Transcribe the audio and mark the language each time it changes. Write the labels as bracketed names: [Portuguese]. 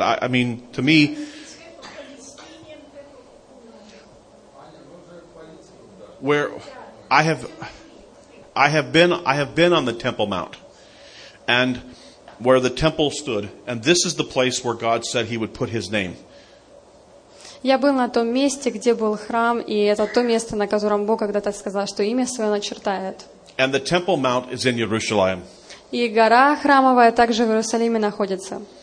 [English] I mean, to me, where I have been on the Temple Mount, and where the temple stood, and this is the place where God said He would put His name. [Russian] Я был на том месте, где был храм, и это то место, на котором Бог когда-то сказал, что имя свое начертает. [English] And the Temple Mount is in Jerusalem. [Russian] И гора храмовая также в Иерусалиме находится.